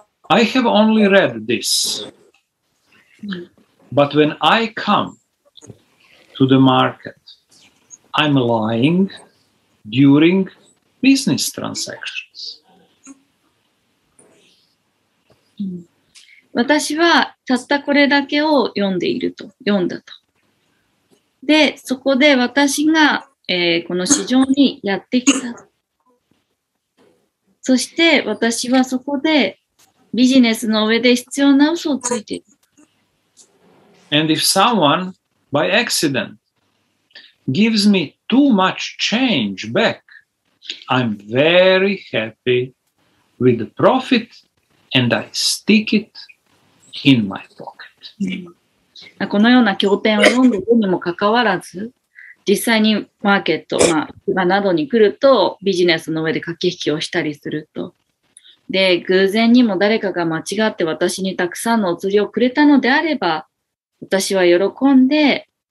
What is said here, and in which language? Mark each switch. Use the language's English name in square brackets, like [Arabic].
[English] I have only read this, but when I come to the market, I'm lying during business transactions. [Japanese] 私はたったこれだけを読んでいると、読んだと。で、そこで私が、この市場にやってきた。そして私はそこでビジネスの上で必要な嘘をついている。 [English] And if someone, by accident, gives me too much change back, I'm very happy with the profit and I stick itIn my pocket. [Japanese] このような経典を読んでいるにもかかわらず、実際にマーケット、まあ、などに来るとビジネスの上で駆け引きをしたりすると。で、偶然にも誰かが間違って私にたくさんのお釣りをくれたのであれば、私は喜んで